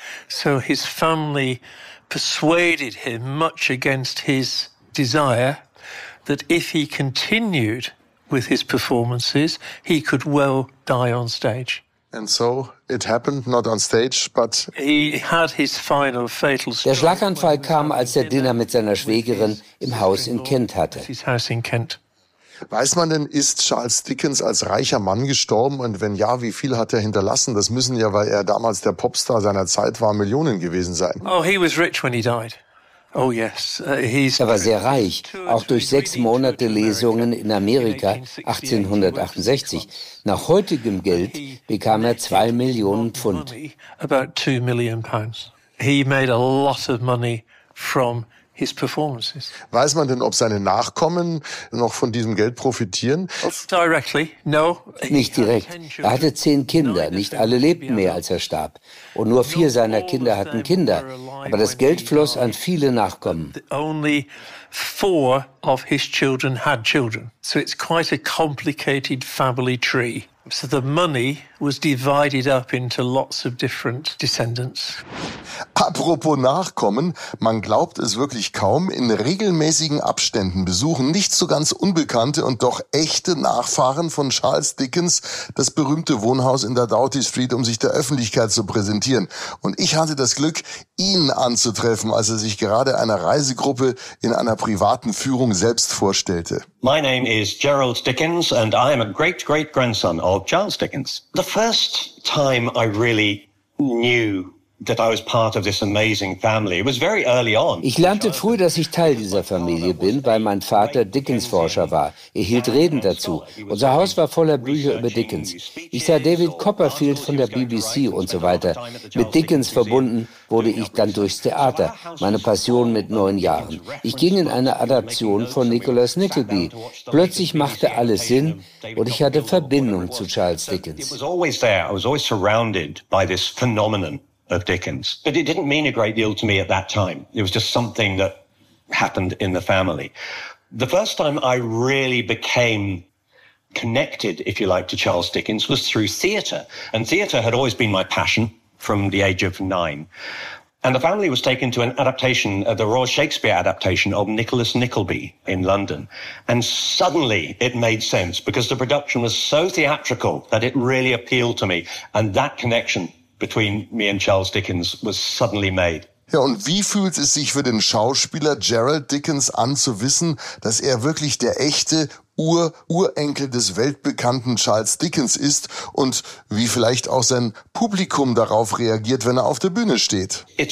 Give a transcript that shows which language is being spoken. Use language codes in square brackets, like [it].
[en] So his family persuaded him much against his desire that if he continued with his performances. He could well die on stage. And so it happened, not on stage, but he had his final fatal stroke. [de] Der Schlaganfall kam, als er Dinner mit seiner Schwägerin im Haus in Kent hatte. [en] His house in Kent. [de] Weiß man denn, ist Charles Dickens als reicher Mann gestorben? Und wenn ja, wie viel hat er hinterlassen? Das müssen ja, weil er damals der Popstar seiner Zeit war, Millionen gewesen sein. [en] Oh, he was rich when he died. Oh yes, he's. [de] Er war sehr reich, auch durch 6 Monate Lesungen in Amerika 1868. Nach heutigem Geld bekam er 2 Millionen Pfund. [en] About 2 million pounds. He made a lot of money from his performances. [de] Weiß man denn, ob seine Nachkommen noch von diesem Geld profitieren? [en] Directly, no. [de] Nicht direkt. Er hatte 10 Kinder. Nicht alle lebten mehr, als er starb. Und nur 4 seiner Kinder hatten Kinder. Aber das Geld floss an viele Nachkommen. [en] Only 4 of his children had children. So it's quite a complicated family tree. So the money was divided up into lots of different descendants. [de] Apropos Nachkommen, man glaubt es wirklich kaum, in regelmäßigen Abständen besuchen nicht so ganz unbekannte und doch echte Nachfahren von Charles Dickens das berühmte Wohnhaus in der Doughty Street, um sich der Öffentlichkeit zu präsentieren. Und ich hatte das Glück, ihn anzutreffen, als er sich gerade einer Reisegruppe in einer privaten Führung selbst vorstellte. [en] My name is Gerald Dickens and I am a great-great-grandson of Charles Dickens. The first time I really knew that I was part of this amazing family. It was very early on. [de] Ich lernte früh, dass ich Teil dieser Familie bin, weil mein Vater Dickens-Forscher war. Er hielt Reden dazu. Unser Haus war voller Bücher über Dickens. Ich sah David Copperfield von der BBC und so weiter. Mit Dickens verbunden wurde ich dann durchs Theater, meine Passion mit 9 Jahren. Ich ging in eine Adaption von Nicholas Nickleby. Plötzlich machte alles Sinn und ich hatte Verbindung zu Charles Dickens. [en] It was always there. I was always surrounded by this phenomenon of Dickens. But it didn't mean a great deal to me at that time. It was just something that happened in the family. The first time I really became connected, if you like, to Charles Dickens was through theatre. And theatre had always been my passion from the age of 9. And the family was taken to an adaptation, the Royal Shakespeare adaptation of Nicholas Nickleby in London. And suddenly it made sense because the production was so theatrical that it really appealed to me. And that connection between me and Charles Dickens was suddenly made. [de] Ja, und wie fühlt es sich für den Schauspieler Gerald Dickens an zu wissen, dass er wirklich der echte Urenkel des weltbekannten Charles Dickens ist und wie vielleicht auch sein Publikum darauf reagiert, wenn er auf der Bühne steht?